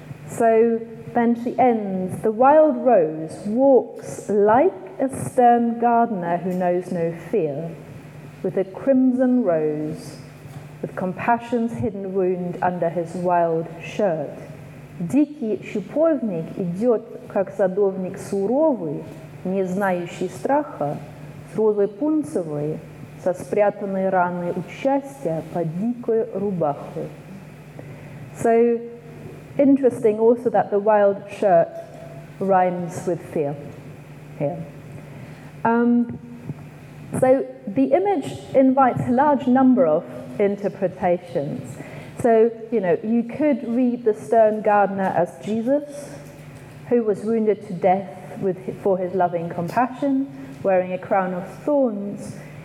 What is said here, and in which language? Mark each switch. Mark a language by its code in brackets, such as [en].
[en] So then she ends, the wild rose walks like a stern gardener who knows no fear, with a crimson rose, with compassion's hidden wound under his wild shirt. [ru] Дикий шиповник идет, как садовник суровый, не знающий страха, с розой пунцевой, со спрятанной раной у счастья под дикой рубахой. [en] So, interesting also that the wild shirt rhymes with fear here. So, the image invites a large number of interpretations. So, you know, you could read the stern gardener as Jesus, who was wounded to death for his loving compassion, wearing a crown of thorns.